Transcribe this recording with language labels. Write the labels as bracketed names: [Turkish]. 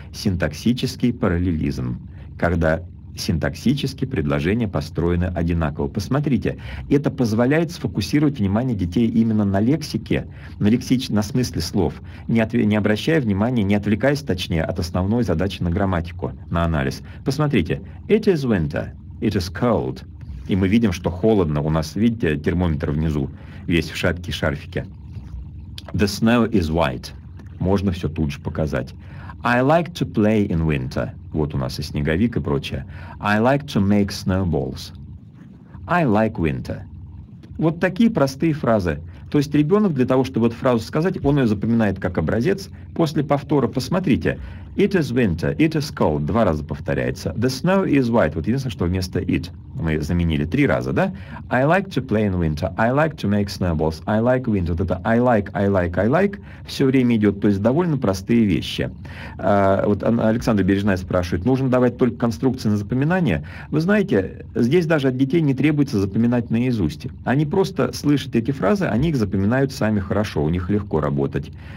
[Russian] Синтаксический параллелизм. Когда синтаксически предложения построены одинаково. Посмотрите, это позволяет сфокусировать внимание детей именно на лексике, на смысле слов, не обращая внимания, не отвлекаясь, точнее, от основной задачи на грамматику, на анализ. Посмотрите, [English] it is winter, it is cold. [Russian] И мы видим, что холодно, у нас, видите, термометр внизу, весь в шапке и шарфике. [English] The snow is white. [Russian] Можно все тут же показать. [English] I like to play in winter. [Russian] Вот у нас и снеговик, и прочее. [English] I like to make snowballs. I like winter. [Russian] Вот такие простые фразы. То есть ребенок для того, чтобы эту фразу сказать, он ее запоминает как образец. После повтора посмотрите. [English] It is winter, it is cold. [Russian] Два раза повторяется. [English] The snow is white. [Russian] Вот единственное, что вместо it мы заменили три раза, да? [English] I like to play in winter. I like to make snowballs. I like winter. [Russian] Вот это [English] I like, I like, I like [Russian] все время идет. То есть довольно простые вещи. Вот Александр Бережная спрашивает, нужно давать только конструкции на запоминание? Вы знаете, здесь даже от детей не требуется запоминать наизусть. Они просто слышат эти фразы, они их запоминают сами хорошо, у них легко работать.